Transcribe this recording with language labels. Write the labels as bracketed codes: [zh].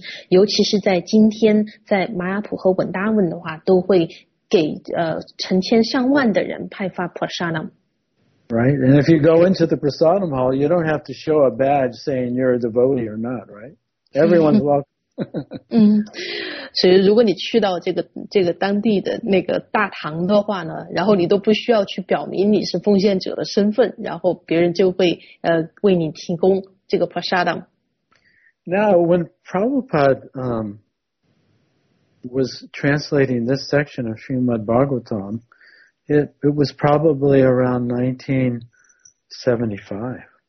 [zh] 尤其是在今天，在玛雅普和文达文的话，都会给成千上万的人派发 prasadam. [en] Right, and if you go into the prasadam hall, you don't have to show a badge saying you're a devotee or not, right? Everyone's welcome. [zh] 所以如果你去到这个当地的那个大堂的话呢，然后你都不需要去表明你是奉献者的身份，然后别人就会为你提供这个 prasadam。 [en] Now when Prabhupada was translating this section of Srimad Bhagavatam, it was probably around 1975.